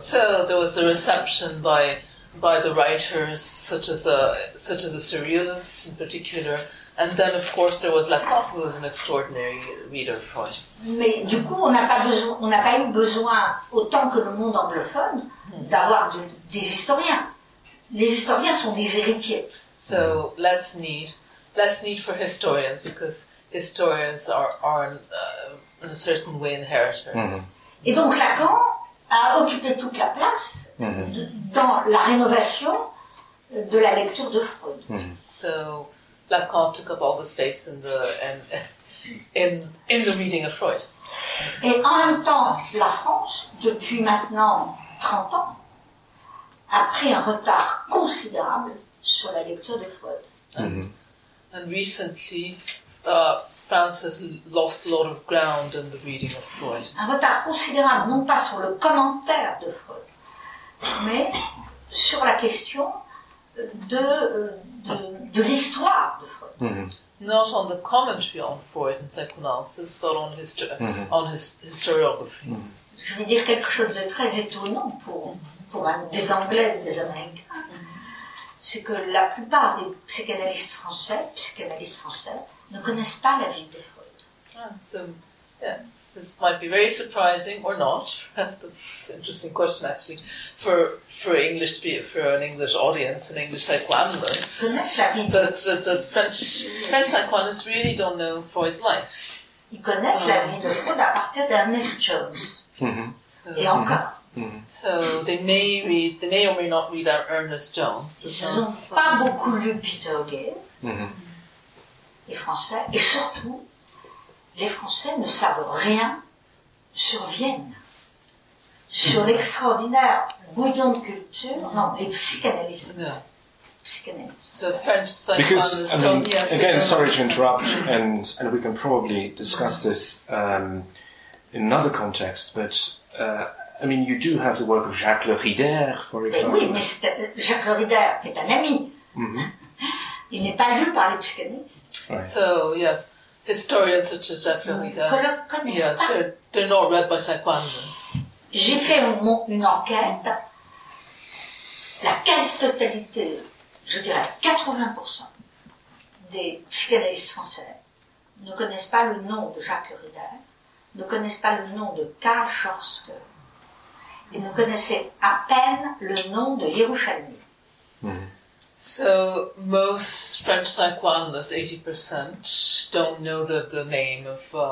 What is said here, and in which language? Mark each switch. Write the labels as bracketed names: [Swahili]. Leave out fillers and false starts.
[English] So there was the reception by the writers such as the surrealists in particular, and then of course there was Lacan, who was an extraordinary reader of Freud. [French] Mais du coup, on n'a pas eu besoin autant que le monde anglophone d'avoir des historiens. Les historiens sont des héritiers. [English] So less need for historians, because historians are in a certain way inheritors. Mm-hmm. [French] Et donc Lacan a occupé toute la place dans la rénovation de la lecture de Freud. Mm-hmm. [English] So Lacan took up all the space in the reading of Freud. [French] Et en même temps, la France, depuis maintenant 30 ans, a pris un retard considérable sur la lecture de Freud. Mm-hmm. [English] And recently, France has lost a lot of ground in the reading of Freud. [French] Un retard considérable, non pas sur le commentaire de Freud, mais sur la question de l'histoire de Freud. Mm-hmm. [English] Not on the commentary on Freud and psychoanalysis, but on historiography. Mm-hmm. [French] Je vais dire quelque chose de très étonnant pour des Anglais et des Américains, c'est que la plupart des psychanalystes français, ne connaissent pas la vie de Freud. [English] This might be very surprising or not. That's an interesting question, actually, for an English audience, an English psychoanalyst. But the French psychoanalysts really don't know Freud's life. [French] Ils connaissent la vie de Freud à partir d'Ernest Jones. Mm-hmm. Et encore. Mm-hmm. [English] So they may or may not read Ernest Jones. [French] Ils n'ont pas beaucoup lu Peter Gay. Mm-hmm. Les Français, et surtout, les Français ne savent rien sur Vienne, sur l'extraordinaire bouillon de culture, non, les psychanalystes. [English] Yeah. Because, I mean, again, sorry to interrupt, and we can probably discuss this in another context, but, I mean, you do have the work of Jacques Le Rider, for example. [French] Oui, mais Jacques Le Rider est un ami. Mm-hmm. Il n'est pas lu par les psychanalystes. [English] Right. So, yes. Historians such as Jacques Le Rider, they're not read by psychoanalysts. [French] J'ai fait une enquête. La quasi-totalité, je dirais 80% des psychanalystes français ne connaissent pas le nom de Jacques Le Rider, ne connaissent pas le nom de Karl Schorske, et ne connaissaient à peine le nom de Yerushalmi. Mm-hmm. [English] So most French psychoanalysts, 80%, don't know the name of